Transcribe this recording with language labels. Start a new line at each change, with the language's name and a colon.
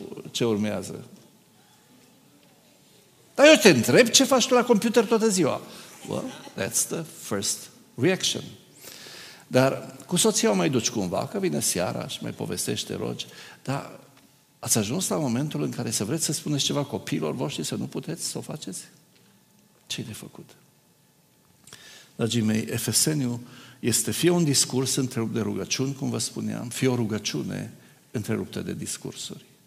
Romanian: Ce urmează? Dar eu te întreb ce faci tu la computer toată ziua.
English: Well, that's the first reaction.
Romanian: Dar cu soția o mai duci cumva, că vine seara și mai povestește, rogi, dar ați ajuns la momentul în care să vreți să spuneți ceva copiilor voștri, să nu puteți să o faceți? Ce-i de făcut? Dragii mei, Efeseniu este fie un discurs întrerupt de rugăciuni, cum vă spuneam, fie o rugăciune întreruptă de discursuri.